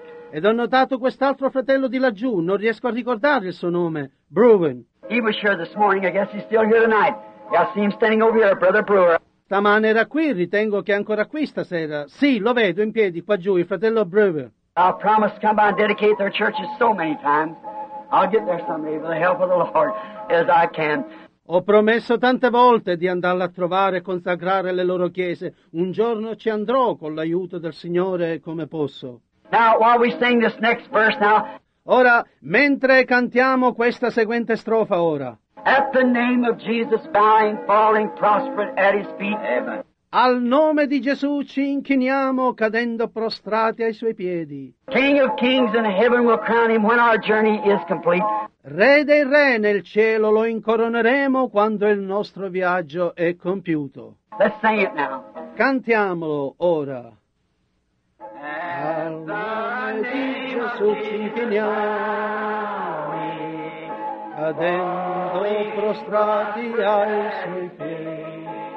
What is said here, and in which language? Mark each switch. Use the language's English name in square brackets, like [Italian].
[Italian] Ed ho notato quest'altro fratello di laggiù, non riesco a ricordare il suo nome, Brewer. [English] He was here this morning, I guess he's still here tonight. Yeah, I see him standing over here, Brother Brewer. [Italian] Stamane era qui, ritengo che è ancora qui stasera. Sì, lo vedo in piedi, qua giù, il fratello Brewer. [English] I promised to come by and dedicate their churches so many times. I'll get there someday with the help of the Lord. As I can. [Italian] Ho promesso tante volte di andarla a trovare e consacrare le loro chiese. Un giorno ci andrò con l'aiuto del Signore come posso. [English] Now, while we sing this next verse now, [Italian] ora, mentre cantiamo questa seguente strofa ora. [English] At the name of Jesus, bowing, falling, prospered at his feet. Amen. [Italian] Al nome di Gesù ci inchiniamo cadendo prostrati ai suoi piedi. [English] King of kings in heaven will crown him when our journey is complete. [Italian] Re dei re nel cielo lo incoroneremo quando il nostro viaggio è compiuto. [English] Let's sing it now. [Italian] Cantiamolo ora. Al nome di Gesù ci inchiniamo cadendo prostrati ai suoi piedi.